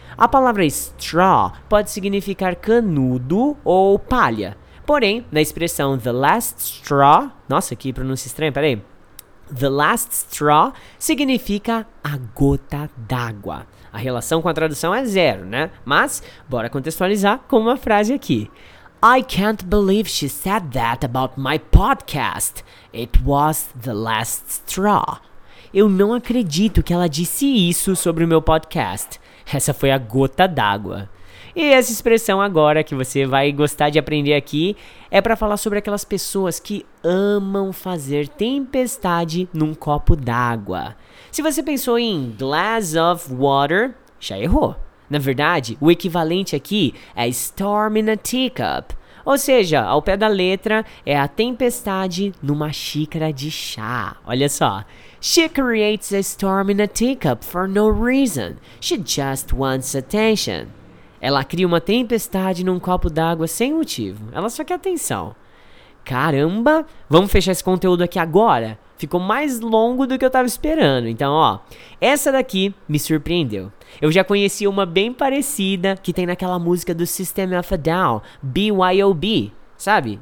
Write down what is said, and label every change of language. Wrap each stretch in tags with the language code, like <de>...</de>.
<pt>A palavra straw pode significar canudo ou palha. Porém, na expressão the last straw, nossa, que pronúncia estranha, peraí. The last straw significa a gota d'água. A relação com a tradução é zero, né? Mas, bora contextualizar com uma frase aqui.</pt> <en>I can't believe she said that about my podcast. It was the last straw.</en> <pt>Eu não acredito que ela disse isso sobre o meu podcast. Essa foi a gota d'água. E essa expressão agora que você vai gostar de aprender aqui é pra falar sobre aquelas pessoas que amam fazer tempestade num copo d'água. Se você pensou em glass of water, já errou. Na verdade, o equivalente aqui é storm in a teacup. Ou seja, ao pé da letra, é a tempestade numa xícara de chá. Olha só.</pt> <en>She creates a storm in a teacup for no reason. She just wants attention.</en> <pt>Ela cria uma tempestade num copo d'água sem motivo. Ela só quer atenção. Caramba! Vamos fechar esse conteúdo aqui agora? Ficou mais longo do que eu tava esperando. Então, ó, essa daqui me surpreendeu. Eu já conhecia uma bem parecida que tem naquela música do System of a Down, BYOB. Sabe?</pt>